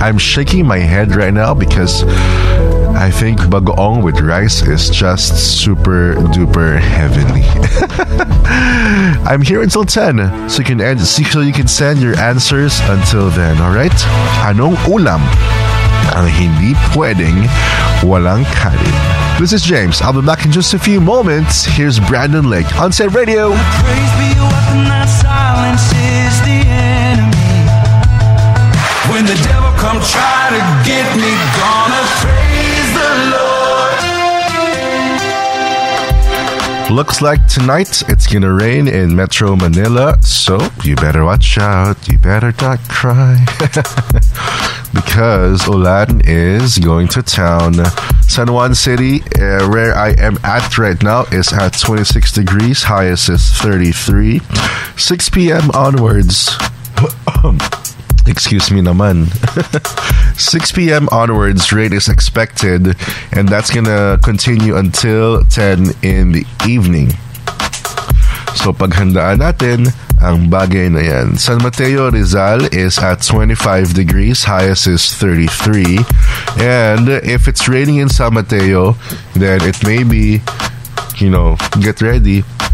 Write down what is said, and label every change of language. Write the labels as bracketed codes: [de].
[en] I'm shaking my head right now because I think bagoong with rice is just super duper heavenly. I'm here until 10, so you can send your answers until then. All right, [tl] anong ulam ang hindi pwedeng walang kanin? [en] This is James. I'll be back in just a few moments. Here's Brandon Lake on Saved Radio. Praise be you up in that silence is the enemy. When the devil come try to get me, gonna praise the Lord. Looks like tonight it's gonna rain in Metro Manila, so you better watch out, you better not cry. Because Ulam is going to town. San Juan City, where I am at right now, is at 26 degrees, highest is 33. 6 p.m. onwards. Excuse me naman. 6 p.m. onwards, rain is expected, and that's gonna continue until 10 in the evening. [tl] So paghandaan natin ang bagay na yan. [en] San Mateo Rizal is at 25 degrees, highest is 33. And if it's raining in San Mateo, then it may be, you know, get ready.